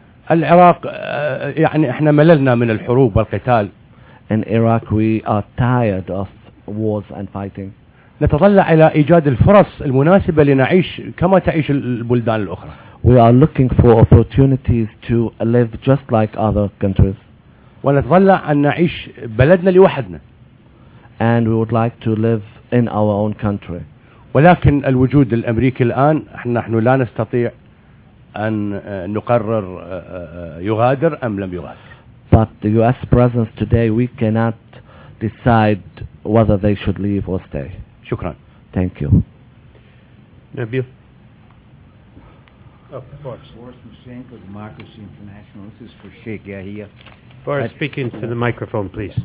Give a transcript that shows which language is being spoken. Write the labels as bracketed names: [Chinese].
[Arabic] العراق يعني احنا مللنا من الحروب والقتال. [English] In Iraq we are tired of wars and fighting. [Arabic] نتطلع الى ايجاد الفرص المناسبه لنعيش كما تعيش البلدان الاخرى. [English] We are looking for opportunities to live just like other countries. [Arabic] ونتطلع ان نعيش بلدنا لوحدنا. [English] And we would like to live in our own country. [Arabic] ولكن الوجود الامريكي الان نحن لا نستطيع أن نقرر يغادر أم لم يغادر. [English] But the U.S. presence today, we cannot decide whether they should leave or stay. [Arabic] شكرا. [English] Thank you. [Arabic] نبيل. [English] Boris Mushenko, Democracy International. This is for Sheikh Yahya. Boris, speak into the microphone, please.